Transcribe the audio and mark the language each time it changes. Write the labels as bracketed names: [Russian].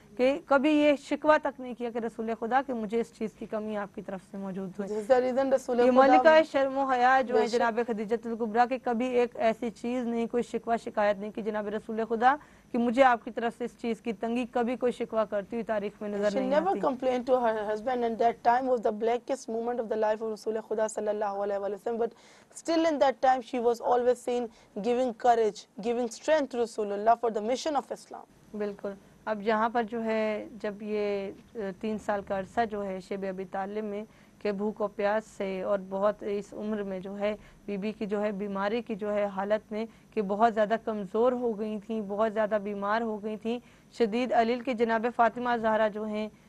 [Urdu] کہ کبھی یہ شکوہ تک نہیں کیا کہ رسول خدا کہ مجھے اس چیز کی کمی آپ کی طرف سے موجود ہوئے یہ ملکہ شرم و حیاء جو ہے جناب خدیجہ الکبریٰ کہ کبھی ایک ایسی چیز نہیں کوئی شکوہ شکایت نہیں کی جناب رسول خدا کہ مجھے آپ کی طرف سے اس چیز کی تنگی کبھی کوئی شکوہ کرتی ہوئی تاریخ میں نظر نہیں آتی [English] She never complained to her husband and that time was the blackest moment of the life of رسول خدا صلی اللہ علیہ وسلم but still in that time she was always seen giving courage, giving strength to رسول اللہ for the mission of Islam [Urdu] بلکل اب یہاں پر جو ہے جب یہ تین سال کا عرصہ جو ہے شیب ابی طالب میں کہ بھوک و پیاس سے اور بہت اس عمر میں جو ہے بی بی کی جو ہے بیماری کی جو ہے حالت میں کہ بہت زیادہ کمزور ہو گئی تھیں بہت زیادہ بیمار ہو گئی تھیں شدید علیل کے جناب فاطمہ زہرہ جو ہیں